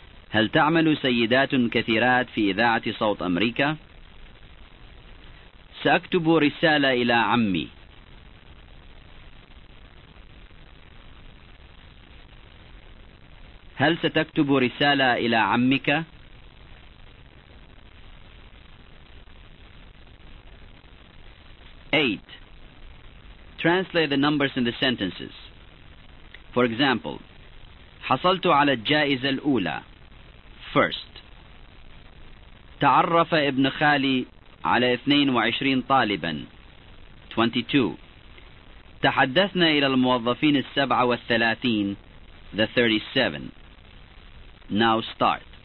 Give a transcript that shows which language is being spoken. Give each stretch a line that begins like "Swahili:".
Arabic: هل تعمل سيدات كثيرات في إذاعة صوت أمريكا؟ سأكتب رسالة إلى عمي. هل ستكتب رسالة إلى عمك؟
English: Eight. Translate the numbers in the sentences. For example,
Arabic: حصلت على الجائزة الأولى.
English: First.
Arabic: تعرف ابن خالي على 22 طالبا. 22. تحدثنا إلى الموظفين 37.
English: The 37. Now start.